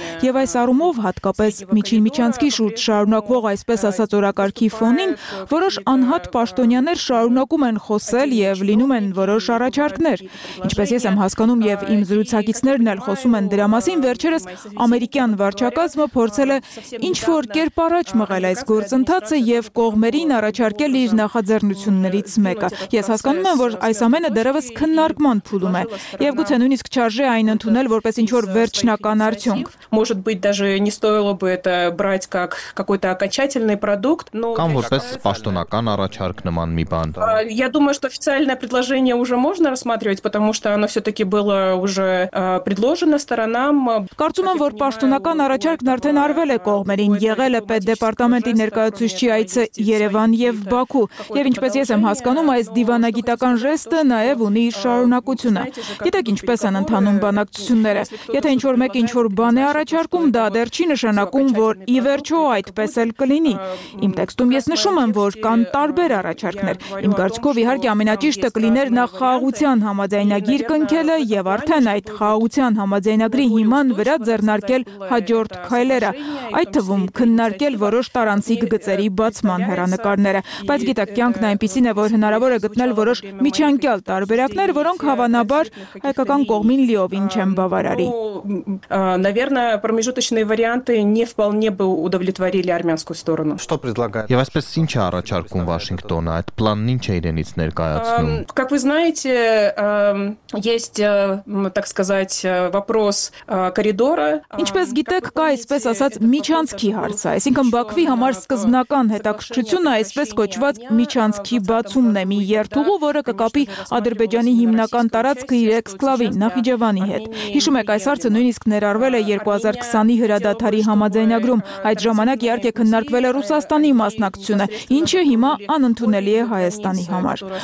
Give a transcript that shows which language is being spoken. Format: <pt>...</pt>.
<hy>Եվ այս առումով հատկապես միջին միջանցքի շուրջ շարունակվող այսպես ասած օրակարգի ֆոնին որոշ անհատ պաշտոնյաներ շարունակում են խոսել եւ լինում են որոշ առաջարկներ։ Ինչպես ես եմ հասկանում եւ իմ զրուցակիցներն էլ խոսում են դրա մասին, վերջերս ամերիկյան վարչակազմը փորձել է ինչ որ կերպ առաջ մղել այս գործընթացը եւ կողմերին առաջարկել իր նախաձեռնություններից մեկը։ Ես հասկանում եմ, որ այս ամենը դեռևս քննարկման փուլում է եւ գուցե նույնիսկ չարժե այն ընդունել որպես ինչ որ վերջնական արդյունք։</hy> <ru>Может быть даже не стоило бы это брать как какой-то окончательный продукт, но</ru> <hy>Կամ որպես պաշտոնական առաջարկ նման մի բան։</hy> <ru>Я думаю, что официальное предложение уже можно рассматривать, потому что оно все-таки было уже предложено сторонам.</ru> <hy>Կարծում եմ, որ պաշտոնական առաջարկն արդեն արվել է կողմերին, եղել է Պետդեպարտամենտի ներկայացուցչի այցը Երևան և Բաքու, և ինչպես ես եմ հասկանում, այս դիվանագիտական ժեստը նաև ունի շարունակությունը։ Գիտեք, ինչպես են ընթանում բանակցությունները։ Եթե ինչ-որ մեկ ինչ-որ բան է առաջարկում, դա դեռ չի նշանակում, որ ի վերջո այդպես էլ կլինի։ Իմ տեքստում ես նշում եմ, որ կան տարբեր առաջարկներ։ Իմ կարծիքով, իհարկե, ամենաճիշտը կլիներ նախ խաղաղության համաձայնագիր կնքելը և արդեն այդ խաղաղության համաձայնագրի հիման վրա ձեռնարկել հաջորդ քայլերը, այդ թվում քննարկել որոշ տարանցիկ գծերի բացման հեռանկարները։ Բայց գիտեք, կյանքն այնպիսին է, որ հնարավոր է գտնել որոշ միջանկյալ տարբերակներ, որոնք հավանաբար հայկական կողմին լիովին չեն բավարարի։</hy> <ru>Наверное, промежуточные варианты не вполне бы удовлетворили армянскую сторону. Что предлагает?</ru> <hy>Եվ այսպես ինչ է առաջարկում Վաշինգտոնը, այդ պլանն ինչ է իրենից ներկայացնում։</hy> <ru>Как вы знаете, есть, так сказать, вопрос коридора.</ru> <hy>Ինչպես գիտեք, կա այսպես ասած միջանցքի հարցը, այսինքն Բաքվի համար սկզբնական հետաքրքրությունը այսպես կոչված միջանցքի բացումն է, մի երթուղու, որը կկապի Ադրբեջանի հիմնական տարածքը իր էքսկլավի Նախիջևանի հետ։ Հիշում եք, այս հարցը նույնիսկ ներառվել է 2020-ի հրադադարի համաձայնագրում, այդ ժամանակ իհարկե քննարկվել է Ռուսաստանի մասնակցությունը, ինչը հիմա անընդունելի է Հայաստանի համար։</hy>